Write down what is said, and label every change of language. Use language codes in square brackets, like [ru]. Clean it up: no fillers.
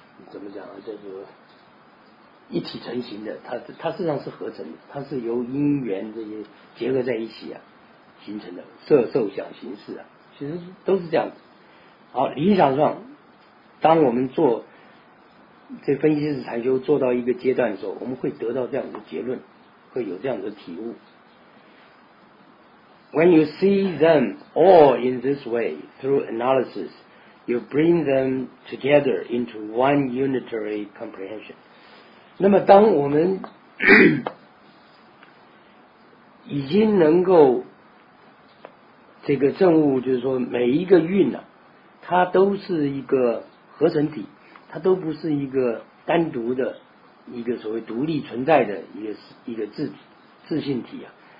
[zh] 怎么讲啊，这个一体成型的，它实际上是合成的，它是由因缘这些结合在一起啊形成的，色受想行识啊，其实都是这样子。好，理想上当我们做这分析式禅修做到一个阶段的时候，我们会得到这样的结论，会有这样的体悟。 [en] When you see them all in this way through analysis, you bring them together into one unitary comprehension。 [zh] 那么当我们已经能够这个证悟，就是说每一个蕴啊，它都是一个合成体，它都不是一个单独的一个所谓独立存在的一个自信体啊。